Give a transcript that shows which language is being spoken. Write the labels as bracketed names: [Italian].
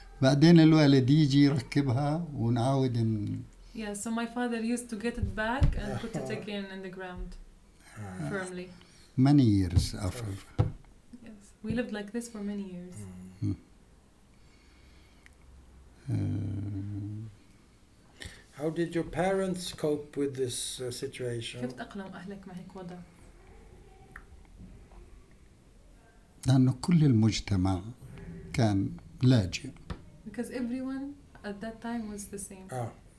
[Arabic] بعدين الوالد يجي يركبها ونعاود. [English] Yeah, so my father used to get it back and put it again in the ground firmly. Many years after. We lived like this for many years. How did your parents cope with this situation? [Arabic] كيف تأقلم أهلك مع هيك وضع؟ لأنه كل المجتمع كان لاجئ. [English] Because everyone at that time was the same.